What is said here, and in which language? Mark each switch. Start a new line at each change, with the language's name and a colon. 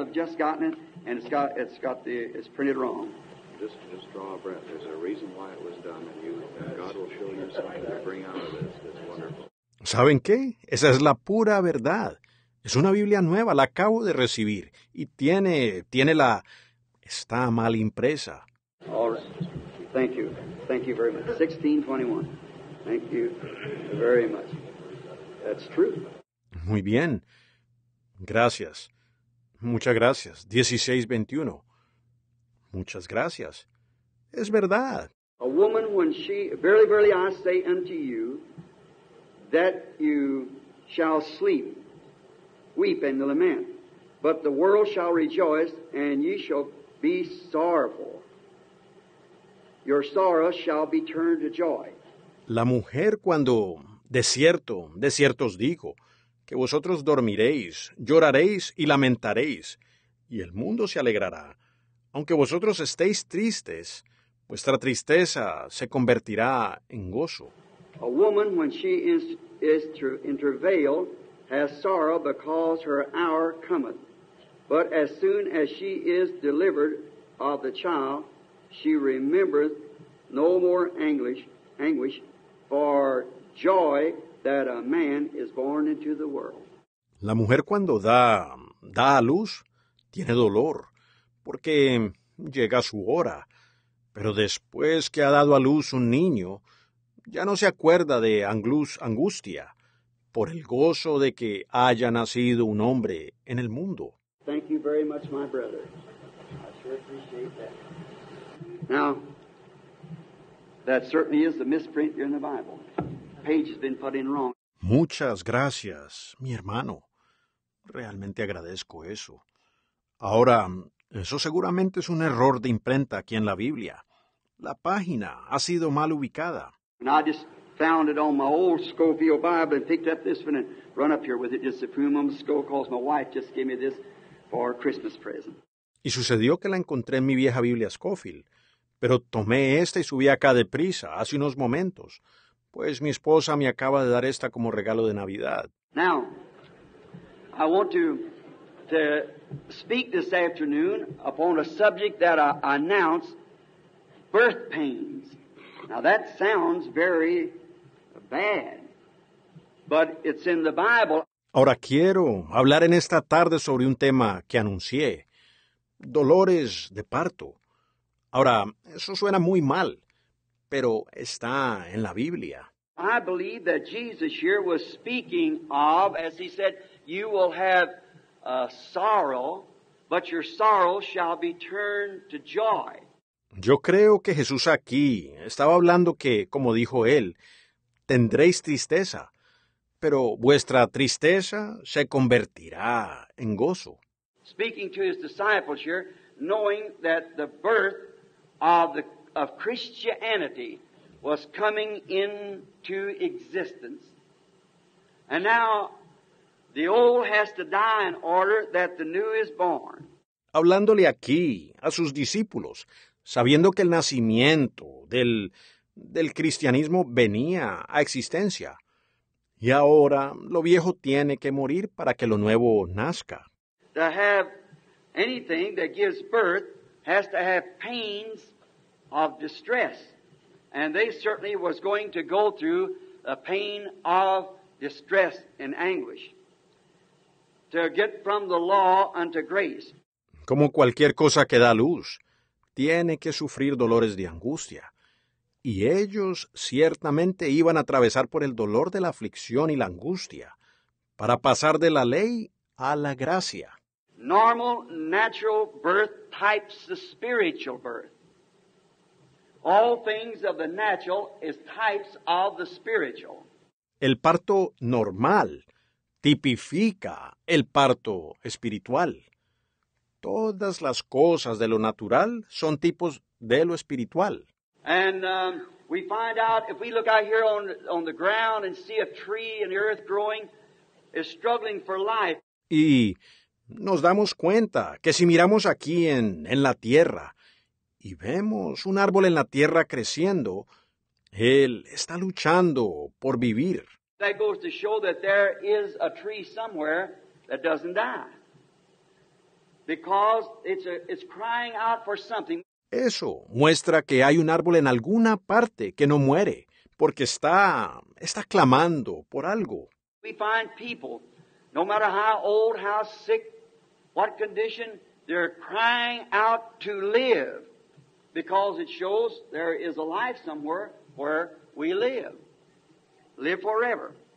English: I've just gotten it, and it's printed wrong. Just draw a breath. There's a reason why it was done, and you, and God will show you something to bring out of this. It's wonderful.
Spanish: ¿Saben qué? Esa es la pura verdad. Es una Biblia nueva, la acabo de recibir, y tiene la... está mal impresa.
English: All right. Thank you. Thank you very much. 16:21. Thank you very much. That's true.
Spanish: Muy bien. Gracias. Muchas gracias. 16:21. Muchas gracias. Es verdad.
English: A woman, when she... Verily, verily, I say unto you, that you shall sleep... weep and lament. But the world shall rejoice, and ye shall be sorrowful. Your sorrow shall be turned to joy.
Spanish: La mujer cuando, de cierto os digo, que vosotros dormiréis, lloraréis y lamentaréis, y el mundo se alegrará. Aunque vosotros estéis tristes, vuestra tristeza se convertirá en gozo.
English: A woman, when she is in travail, has sorrow because her hour cometh. But as soon as she is delivered of the child, she remembereth no more anguish, for joy that a man is born into the world.
Spanish: La mujer cuando da a luz, tiene dolor, porque llega su hora. Pero después que ha dado a luz un niño, ya no se acuerda de angustia por el gozo de que haya nacido un hombre en el mundo.
English: Thank you very much, my brother. I sure appreciate that. Now, that certainly is the misprint here in the Bible. Page has been put in wrong.
Spanish: Muchas gracias, mi hermano. Realmente agradezco eso. Ahora, eso seguramente es un error de imprenta aquí en la Biblia. La página ha sido mal ubicada.
English: And I just found it on my old Scofield Bible and picked up this one and run up here with it just a few moments ago because my wife just gave me this for a Christmas present.
Spanish: Y sucedió que la encontré en mi vieja Biblia Scofield, pero tomé esta y subí acá deprisa hace unos momentos, pues mi esposa me acaba de dar esta como regalo de Navidad.
English: Now, I want to speak this afternoon upon a subject that I announced, birth pains. Now that sounds very bad, but it's in the Bible.
Spanish: Ahora quiero hablar en esta tarde sobre un tema que anuncié, dolores de parto. Ahora, eso suena muy mal, pero está en la Biblia.
English: I believe that Jesus here was speaking of, as he said, you will have a sorrow, but your sorrow shall be turned to joy.
Spanish: Yo creo que Jesús aquí estaba hablando que, como dijo él, tendréis tristeza, pero vuestra tristeza se convertirá en gozo.
English: Speaking to his disciples here, knowing that the birth of Christianity was coming into existence. And now the old has to die in order that the new is born.
Spanish: Hablándole aquí a sus discípulos, sabiendo que el nacimiento del cristianismo venía a existencia. Y ahora lo viejo tiene que morir para que lo nuevo nazca.
English: To have anything that gives birth has to have pains of distress. And they certainly was going to go through a pain of distress and anguish. To get from the law unto grace.
Spanish: Como cualquier cosa que da luz, tiene que sufrir dolores de angustia. Y ellos ciertamente iban a atravesar por el dolor de la aflicción y la angustia para pasar de la ley a la gracia.
English: Normal, natural birth types the spiritual birth. All things of the natural is types of the spiritual.
Spanish: El parto normal tipifica el parto espiritual. Todas las cosas de lo natural son tipos de lo espiritual.
English: And we find out, if we look out here on the ground and see a tree and the earth growing, is struggling for life.
Spanish: Y nos damos cuenta que si miramos aquí en la tierra y vemos un árbol en la tierra creciendo, él está luchando por vivir.
English: That goes to show that there is a tree somewhere that doesn't die. Because it's crying out for something.
Spanish: Eso muestra que hay un árbol en alguna parte que no muere, porque está clamando por algo.
English: We find people, no matter how old, how sick, what condition, they're crying out to live, because it shows there is a life somewhere where we live forever.